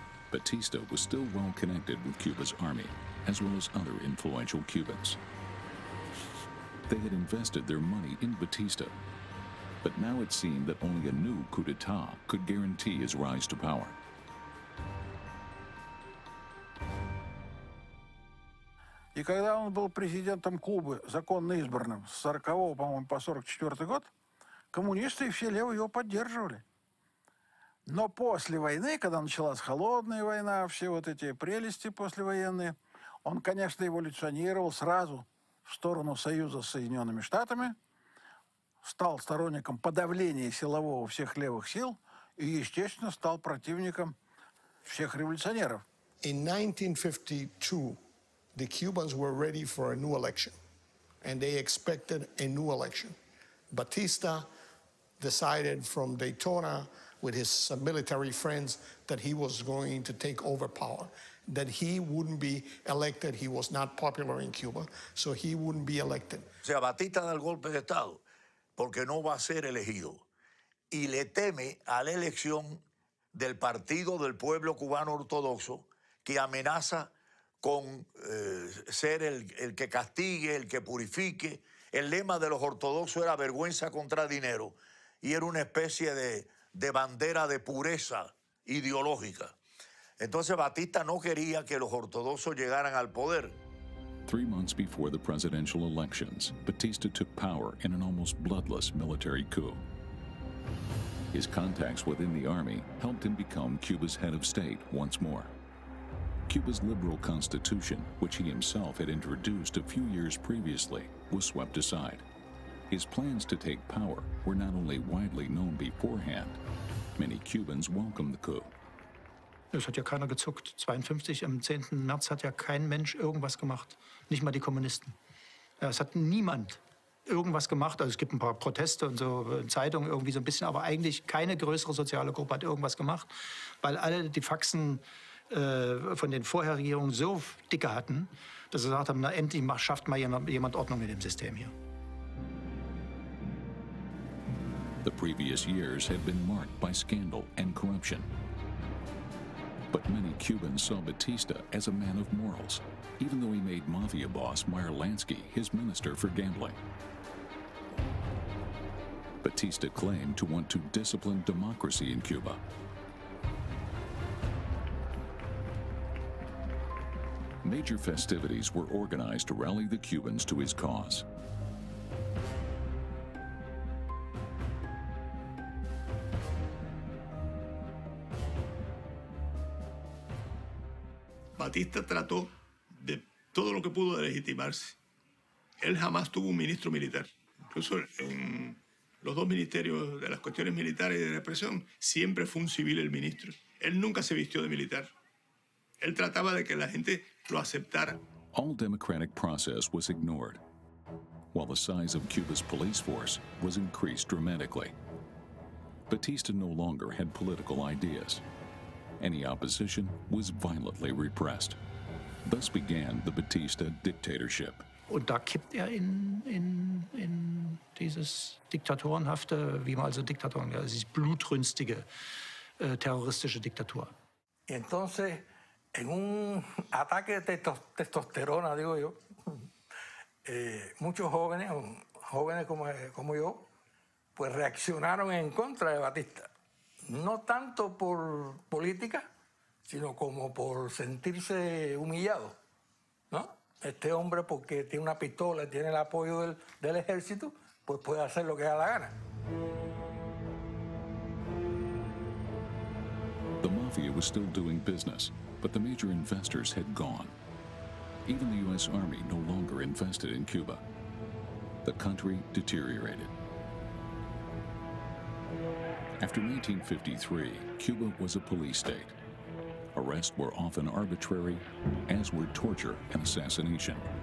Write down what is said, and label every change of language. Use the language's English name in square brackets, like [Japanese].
[English] Batista was still well connected with Cuba's army, as well as other influential Cubans. They had invested their money in Batista, but now it seemed that only a new coup d'etat could guarantee his rise to power. [Russian] И когда он был президентом Кубы, законно избранным, с 40-го, по-моему, по 44-й год, коммунисты и все левые его поддерживали. Но после войны, когда началась холодная война, все вот эти прелести послевоенные, он, конечно, эволюционировал сразу в сторону союза с Соединенными Штатами, стал сторонником подавления силового всех левых сил и, естественно, стал противником всех революционеров. [English] In 1952, the Cubans were ready for a new election, and they expected a new election. Batista decided from Daytona with his military friends that he was going to take over power, that he wouldn't be elected. He was not popular in Cuba, so he wouldn't be elected. [Spanish] O sea, Batista da el golpe de Estado porque no va a ser elegido y le teme a la elección del Partido del Pueblo Cubano Ortodoxo, que amenaza con ser el que castigue, el que purifique. El lema de los ortodoxos era vergüenza contra dinero y era una especie de bandera de pureza ideológica. Entonces Batista no quería que los ortodoxos llegaran al poder. [English] 3 months before the presidential elections, Batista took power in an almost bloodless military coup. His contacts within the army helped him become Cuba's head of state once more. Cuba's liberal constitution, which he himself had introduced a few years previously, was swept aside. His plans to take power were not only widely known beforehand, many Cubans welcomed the coup. [German] Es hat ja keiner gezuckt. 52 am 10. März hat ja kein Mensch irgendwas gemacht, nicht mal die Kommunisten. Es hat niemand irgendwas gemacht. Also es gibt ein paar Proteste und so Zeitungen irgendwie so ein bisschen, aber eigentlich keine größere soziale Gruppe hat irgendwas gemacht, weil alle die Faxen von den Vorherregierungen so dicke hatten, dass sie gesagt haben, na endlich schafft mal jemand Ordnung in dem System hier. [English] The previous years had been marked by scandal and corruption. But many Cubans saw Batista as a man of morals, even though he made mafia boss Meyer Lansky his minister for gambling. Batista claimed to want to discipline democracy in Cuba. Major festivities were organized to rally the Cubans to his cause. [Spanish] Batista trató de todo lo que pudo de legitimarse. Él jamás tuvo un ministro militar. Incluso en los dos ministerios de las cuestiones militares y de represión, siempre fue un civil el ministro. Él nunca se vistió de militar. Él trataba de que la gente lo aceptara. [English] All democratic process was ignored, while the size of Cuba's police force was increased dramatically. Batista no longer had political ideas. Any opposition was violently repressed. Thus began the Batista dictatorship. [German] Und da kippt in dieses diktatorenhafte, wie man also Diktatoren, ja, dieses blutrünstige terroristische Diktatur. [Spanish] Y entonces, en un ataque de testosterona, digo yo, muchos jóvenes como yo, pues reaccionaron en contra de Batista. No tanto por política, sino como por sentirse humillado, ¿no? Este hombre, porque tiene una pistola, tiene el apoyo del ejército, pues puede hacer lo que da la gana. [English] The mafia was still doing business, but the major investors had gone. Even the U.S. Army no longer invested in Cuba. The country deteriorated. After 1953, Cuba was a police state. Arrests were often arbitrary, as were torture and assassination.